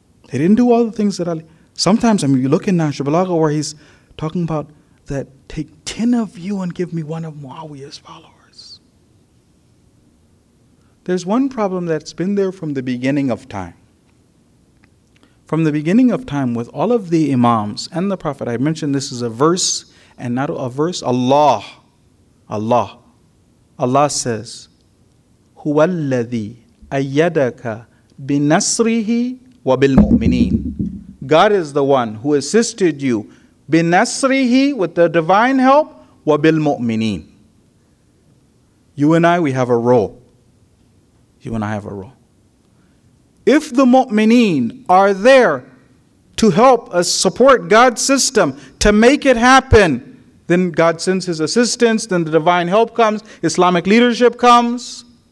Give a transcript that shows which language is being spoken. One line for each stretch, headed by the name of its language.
English: They didn't do all the things that Ali... Sometimes, I mean, you look in Nahj al-Balagha where he's talking about that take 10 of you and give me one of Muawiyah's followers. There's one problem that's been there from the beginning of time. From the beginning of time, with all of the imams and the Prophet, I mentioned this is a verse, and not a verse, Allah. Allah says,
Arabic: هُوَ الَّذِي أَيَّدَكَ بِنَصْرِهِ وَبِالْمُؤْمِنِينَ.
English: God is the one who assisted you بِنَصْرِهِ, with the divine help, وَبِالْمُؤْمِنِينَ. You and I, we have a role. You and I have a role. If the mu'mineen are there to help us support God's system, to make it happen, then God sends his assistance, then the divine help comes, Islamic leadership comes.